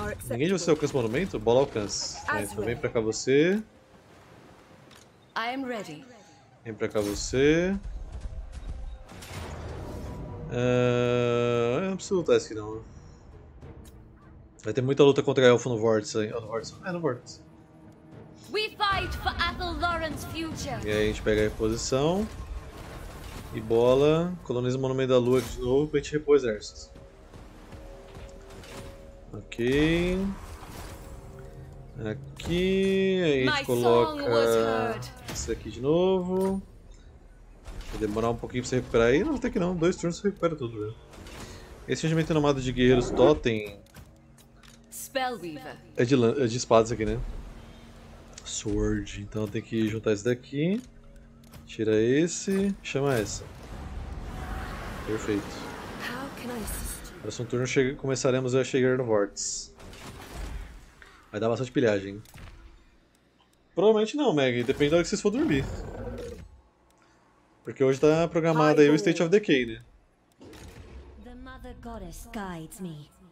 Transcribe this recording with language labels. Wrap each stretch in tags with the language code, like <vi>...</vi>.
<pt>Ninguém de você alcança o monumento? Bola alcance. Aí, então vem pra cá você. Vem pra cá você. Eu não preciso lutar esse aqui não. Vai ter muita luta contra elfo no Vórtice. No Vórtice. É, no Vórtice.</pt> <en>We fight for Athelloran's future.</en> <pt>E aí a gente pega a reposição. E bola. Coloniza o monumento da lua aqui de novo pra gente repor exércitos. Ok. Aqui. Aí a gente</pt> <en>My</en> <pt>coloca</pt> <en>song was heard.</en> <pt>esse aqui de novo. Vai demorar um pouquinho pra você recuperar aí, não, até que não, dois turnos você recupera tudo, velho. Esse regimento nomado de guerreiros totem</pt> <en>Spellweaver.</en> <pt>é de espadas aqui, né? Sword, então tem que juntar esse daqui. Tira esse, chama essa. Perfeito.</pt> <en>How can I assist you?</en> <pt>Próximo turno começaremos a chegar no Vortex. Vai dar bastante pilhagem. Provavelmente não, Maggie, depende da hora que vocês for dormir. Porque hoje tá programado aí o State of Decay, né?</pt> <en>The Mother Goddess guides me.</en>